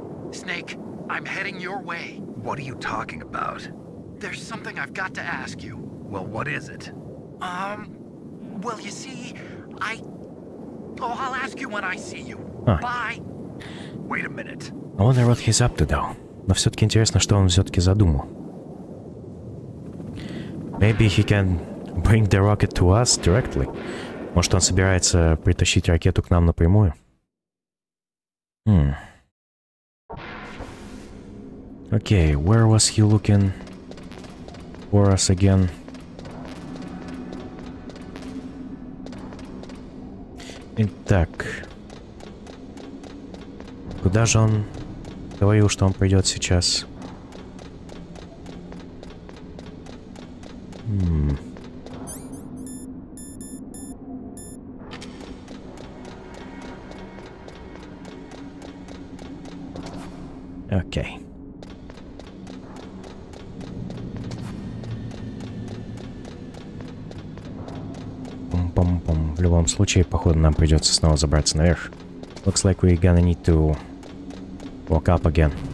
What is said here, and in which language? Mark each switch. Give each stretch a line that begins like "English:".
English: Snake, I'm heading your way. What are you talking about? There's something I've got to ask you. Well, what is it? Well, you see, I... Oh, I'll ask you when I see you. Huh. Bye! Wait a minute. I wonder what he's up to, though.
Russian: Но все-таки интересно, что он все-таки задумал.
English: Maybe he can bring the rocket to us directly.
Russian: Может, он собирается притащить ракету к нам напрямую? Hmm.
English: Okay, where was he looking for us again?
Russian: Итак. Куда же он говорил, что он придет сейчас? Hmm.
English: Okay. Пум-пум-пум.
Russian: В любом случае, походу, нам придется снова забраться наверх.
English: Looks like we're gonna need to walk up again.